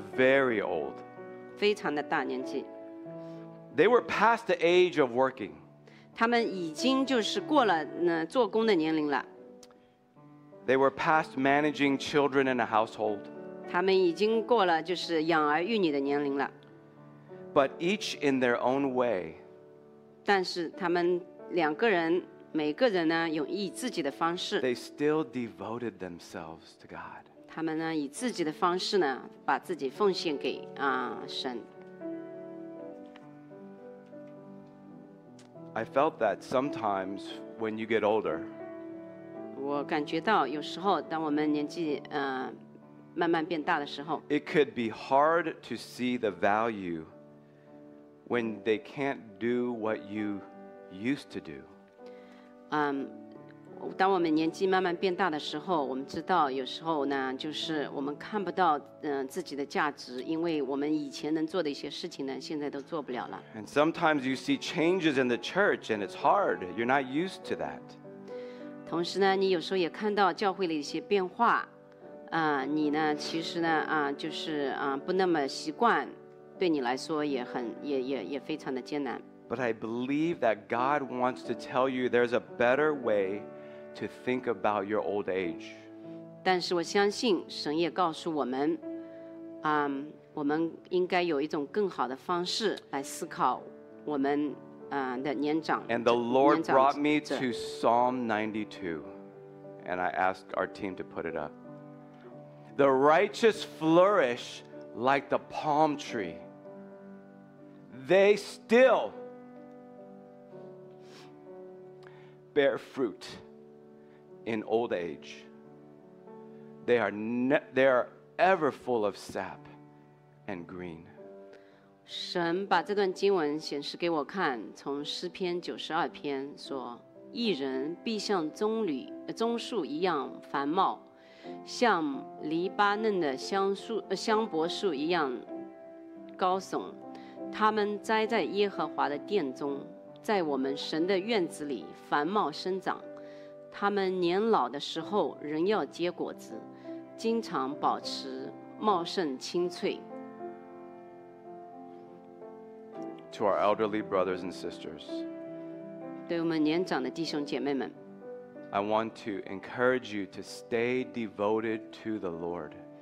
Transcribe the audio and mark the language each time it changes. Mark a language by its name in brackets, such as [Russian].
[English] Very old. [Chinese] 非常的大年纪。 [English] They were past the age of working. [Chinese] 他们已经就是过了做工的年龄了。 [English] They were past managing children in a household. [Chinese] 他们已经过了就是养儿育女的年龄了。 [English] But each in their own way. [Chinese] 但是他们两个人每个人呢用以自己的方式。 [English] They still devoted themselves to God. [Chinese] 他们呢以自己的方式呢把自己奉献给神。 [English] I felt that sometimes when you get older. [Chinese] 我感觉到有时候当我们年纪慢慢变大的时候。 [English] It could be hard to see the value when they can't do what you used to do. [Chinese] 当我们年纪慢慢变大的时候，我们知道有时候呢，就是我们看不到自己的价值，因为我们以前能做的一些事情呢，现在都做不了了。 [English] And sometimes you see changes in the church, and it's hard. You're not used to that. [Chinese] 同时呢，你有时候也看到教会的一些变化，你呢，其实呢，就是不那么习惯。对你来说也非常的艰难。 [English] But I believe that God wants to tell you there's a better way to think about your old age. [Chinese] 但是我相信神也告诉我们，我们应该有一种更好的方式来思考我们的年长。 [English] And the Lord brought me to Psalm 92, and I asked our team to put it up. The righteous flourish like the palm tree. They still bear fruit in old age. They are ever full of sap and green. [Chinese] 神把这段经文显示给我看，从诗篇九十二篇说：“义人必像棕树一样繁茂，像黎巴嫩的香柏树一样高耸。” 他们栽在耶和华的殿中，在我们神的院子里繁茂生长。他们年老的时候仍要结果子，经常保持茂盛青翠。 [English] To our elderly brothers and sisters, [Chinese] 对我们年长的弟兄姐妹们 [English] I want to encourage you to stay devoted to the Lord.